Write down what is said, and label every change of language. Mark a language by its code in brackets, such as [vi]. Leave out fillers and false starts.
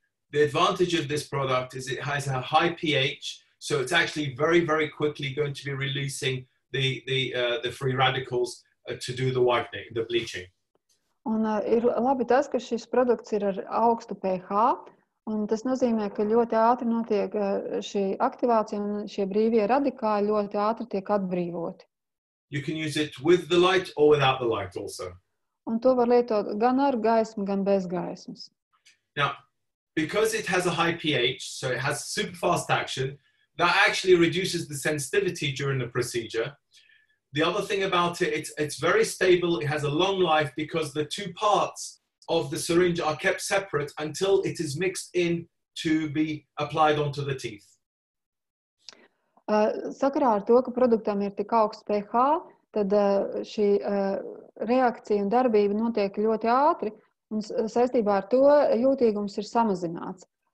[en] The advantage of this product is it has a high pH, so it's actually very, very quickly going to be releasing the free radicals to do the whitening, the bleaching. [lv] Un ir labi tas, ka šis produkts ir ar augstu pH, un tas nozīmē, ka ļoti ātri notiek šī aktivācija un šie brīvie radikāli ļoti ātri tiek atbrīvoti. [en] You can use it with the light or without the light also. [lv] Un to var lietot gan ar gaismu, gan bez gaismas. [en] Now, because it has a high pH, so it has super fast action, that actually reduces the sensitivity during the procedure. The other thing about it, it's very stable, it has a long life because the two parts of the syringe are kept separate until it is mixed in to be applied onto the teeth. [lv] Sakarā ar to, ka produktam ir tik augsts pH, tad šī reakcija un darbība notiek ļoti ātri, un saistībā ar to jūtīgums ir samazināts.